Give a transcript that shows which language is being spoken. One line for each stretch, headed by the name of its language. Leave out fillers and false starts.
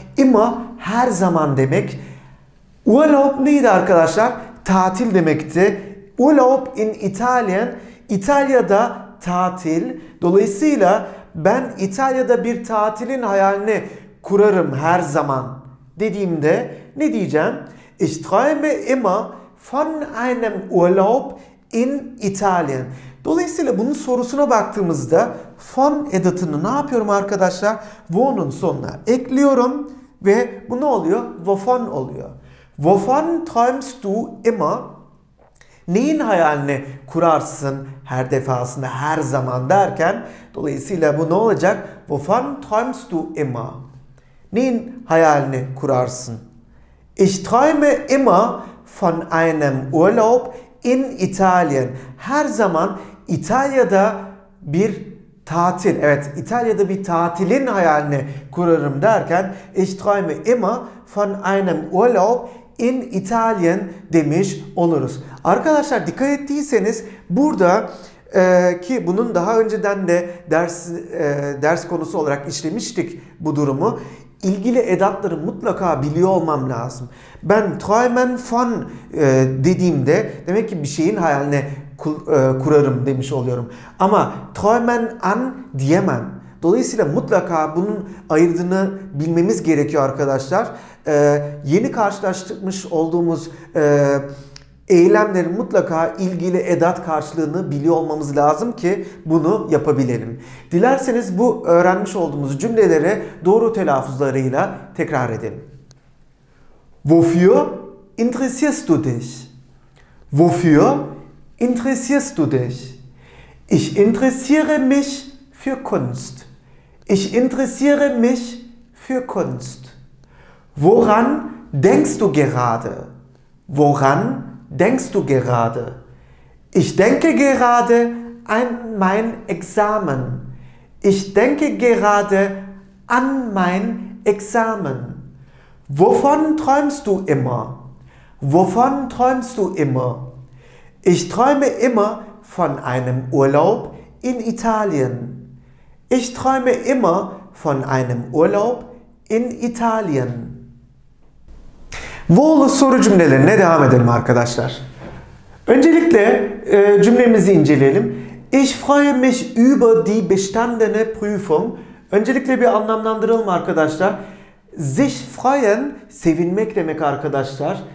Turkish: Immer her zaman demek. Urlaub neydi arkadaşlar? Tatil demekti.
German: Urlaub in Italien.
Turkish: İtalya'da tatil. Dolayısıyla ben İtalya'da bir tatilin hayalini kurarım her zaman dediğimde ne diyeceğim?
German: Ich träume immer von einem Urlaub in Italien.
Turkish: Dolayısıyla bunun sorusuna baktığımızda von edatını ne yapıyorum arkadaşlar? Wo'nun sonuna ekliyorum ve bu ne oluyor? Wovon oluyor.
German: Wovon träumst du immer?
Turkish: Neyin hayalini kurarsın her defasında, her zaman derken dolayısıyla bu ne olacak?
German: Wovon träumst du immer?
Turkish: Neyin hayalini kurarsın?
German: Ich träume immer von einem Urlaub in Italien.
Turkish: Her zaman İtalya'da bir tatil. Evet, İtalya'da bir tatilin hayalini kurarım derken
German: ich träume immer von einem Urlaub in Italien
Turkish: demiş oluruz. Arkadaşlar dikkat ettiyseniz burada ki bunun daha önceden de ders konusu olarak işlemiştik bu durumu. İlgili edatları mutlaka biliyor olmam lazım. Ben träumen von dediğimde demek ki bir şeyin hayalini kurarım demiş oluyorum. Ama träumen an diyemem. Dolayısıyla mutlaka bunun ayırdığını bilmemiz gerekiyor arkadaşlar. Yeni karşılaştırmış olduğumuz Eylemlerin mutlaka ilgili edat karşılığını biliyor olmamız lazım ki bunu yapabilelim. Dilerseniz bu öğrenmiş olduğumuz cümleleri doğru telaffuzlarıyla tekrar edelim.
German: Wofür interessierst du dich? Wofür interessierst du dich? Ich interessiere mich für Kunst. Ich interessiere mich für Kunst. Woran denkst du gerade? Woran denkst du gerade? Ich denke gerade an mein Examen. Ich denke gerade an mein Examen. Wovon träumst du immer? Wovon träumst du immer? Ich träume immer von einem Urlaub in Italien. Ich träume immer von einem Urlaub in Italien.
Turkish: Wo'lu soru cümlelerine devam edelim arkadaşlar. Öncelikle cümlemizi inceleyelim.
German: Ich freue mich über die bestandene Prüfung.
Turkish: Öncelikle bir anlamlandıralım arkadaşlar. Sich freuen, sevinmek demek arkadaşlar.